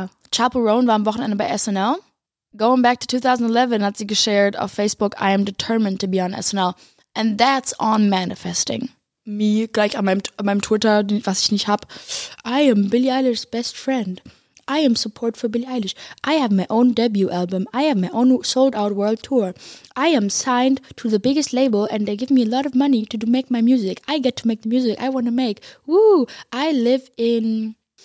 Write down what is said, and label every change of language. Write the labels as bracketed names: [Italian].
[German] Chapel Roan war am Wochenende bei SNL. Going back to 2011 hat sie geshared auf Facebook, [English] I am determined to be on SNL. And that's on manifesting. [German] Me, gleich an meinem Twitter, was ich nicht hab. [English] I am Billie Eilish's best friend. I am support for Billie Eilish. I have my own debut album. I have my own sold out world tour. I am signed to the biggest label and they give me a lot of money to make my music. I get to make the music I want to make. Woo! I live in...